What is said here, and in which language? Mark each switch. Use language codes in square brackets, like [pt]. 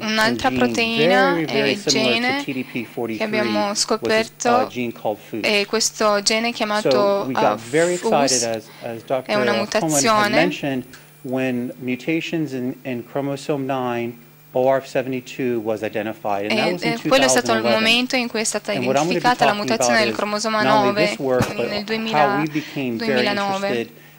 [it] un'altra proteina e gene che abbiamo scoperto è questo gene chiamato FUS, è una mutazione. [en] When mutations in chromosome 9 ORF72 was identified, and that was in 2011. [it] Quello è stato il momento in cui è stata identificata la mutazione del cromosoma 9 nel 2009.